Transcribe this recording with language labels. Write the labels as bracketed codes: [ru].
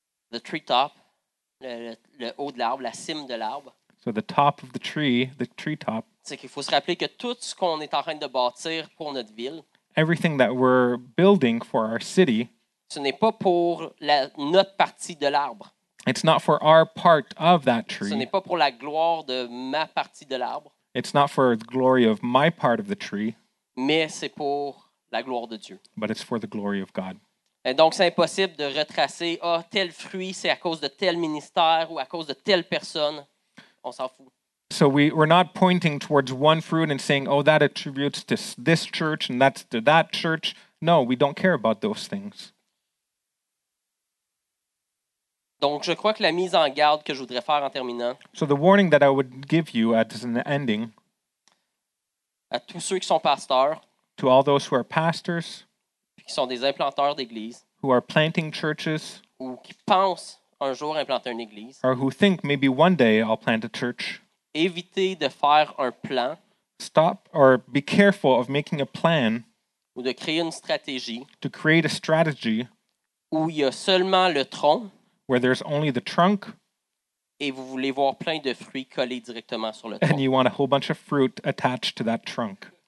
[en] The treetop [fr] le haut de l'arbre, la cime de l'arbre. [en] So the top of the tree, the treetop. [fr] C'est qu'il faut se rappeler que tout ce qu'on est en train de bâtir pour notre ville. [en] Everything that we're building for our city. [fr] Ce n'est pas pour la notre partie de l'arbre. [en] It's not for our part of that tree. [fr] Ce n'est pas pour la gloire de ma partie de l'arbre. [en] It's not for the glory of my part of the tree. [fr] Mais c'est pour la gloire de Dieu. [en] But it's for the glory of God. [fr] Et donc, c'est impossible de retracer, ah, tel fruit, c'est à cause de tel ministère ou à cause de telle personne. On s'en fout. [en] So we're not pointing towards one fruit and saying, oh, that attributes to this church and that's to that church. No, we don't care about those things. [fr] Donc, je crois que la mise en garde que je voudrais faire en terminant. [en] So the warning that I would give you at an ending. [fr] À tous ceux qui sont pasteurs. [en] To all those who are pastors. [fr] Qui sont des implanteurs d'église, [en] who are planting churches, [fr] ou qui pensent un jour implanter une église, [en] or who think maybe one day I'll plant a church. [fr] Évitez de faire un plan. [en] Stop or be careful of making a plan. [fr] Ou de créer une stratégie. [en] To create a strategy. [fr] Où il y a seulement le tronc. [en] Where there's only the trunk. [fr] Et vous voulez voir plein de fruits collés directement sur le [en] tronc. And you want a whole bunch of fruit attached to that trunk.